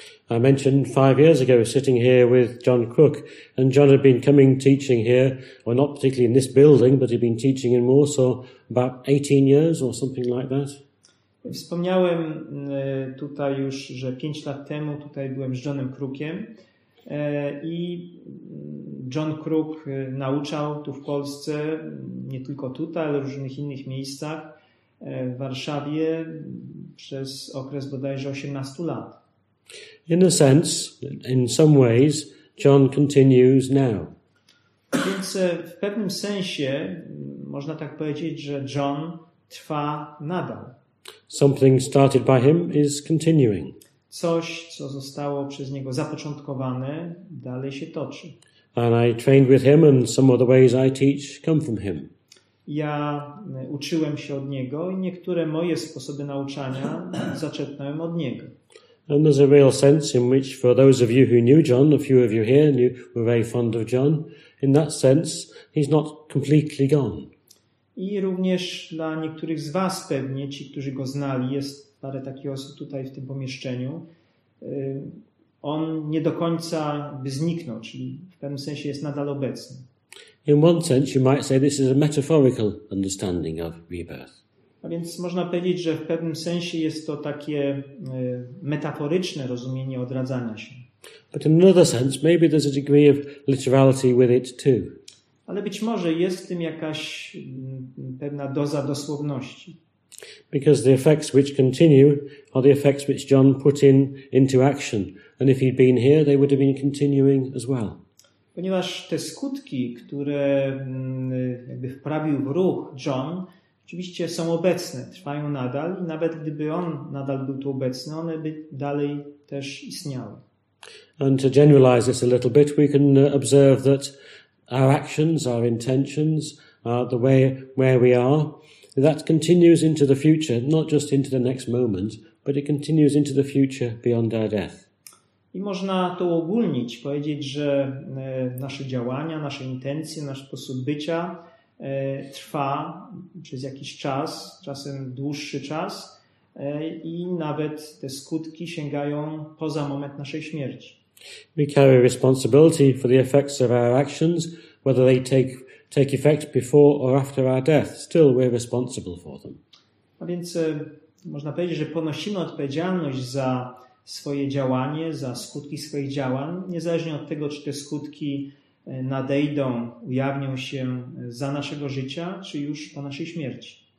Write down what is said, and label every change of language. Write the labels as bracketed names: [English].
[English] I mentioned 5 years ago sitting here with John Crook, and John had been coming teaching here, well, not particularly in this building, but he'd been teaching in Warsaw about 18 years or something like that. [Polish] Wspomniałem tutaj już, że 5 lat temu tutaj byłem z Johnem Crookiem i John Crook nauczał tu w Polsce, nie tylko tutaj, ale w różnych innych miejscach w Warszawie przez okres bodajże 18 lat. [English] In a sense, in some ways, John continues now. [Polish] Więc w pewnym sensie można tak powiedzieć, że John trwa nadal. [English] Something started by him is continuing. [Polish] Coś, co zostało przez niego zapoczątkowane, dalej się toczy. [English] And I trained with him, and some of the ways I teach come from him. [Polish] Ja uczyłem się od niego i niektóre moje sposoby nauczania zaczerpnąłem od niego. [English] And there's a real sense in which, for those of you who knew John, a few of you here knew, were very fond of John, in that sense he's not completely gone. [Polish] I również dla niektórych z was pewnie, ci, którzy go znali, jest parę takich osób tutaj w tym pomieszczeniu, on nie do końca by zniknął, czyli w pewnym sensie jest nadal obecny. [English] In one sense you might say this is a metaphorical understanding of rebirth. [Polish] A więc można powiedzieć, że w pewnym sensie jest to takie metaforyczne rozumienie odradzania się. [English] But in another sense maybe there's a degree of literality with it too. [Polish] Ale być może jest w tym jakaś pewna doza dosłowności. [English] Because the effects which continue are the effects which John put in into action, and if he'd been here they would have been continuing as well. [Polish] Ponieważ te skutki, które jakby wprawił w ruch John, oczywiście są obecne, trwają nadal i nawet gdyby on nadal był tu obecny, one by dalej też istniały. [English] And to generalize this a little bit, we can observe that our actions, our intentions, the way where we are, that continues into the future, not just into the next moment, but it continues into the future beyond our death. [Polish] I można to uogólnić, powiedzieć, że nasze działania, nasze intencje, nasz sposób bycia trwa przez jakiś czas, czasem dłuższy czas i nawet te skutki sięgają poza moment naszej śmierci. [English] We carry responsibility for the effects of our actions, whether they take effect before or after our death. Still, we're responsible for them. [Polish] A więc można powiedzieć, że ponosimy odpowiedzialność za swoje działanie, za skutki swoich działań, niezależnie od tego, czy te skutki nadejdą, ujawnią się za naszego życia, czy już po naszej śmierci.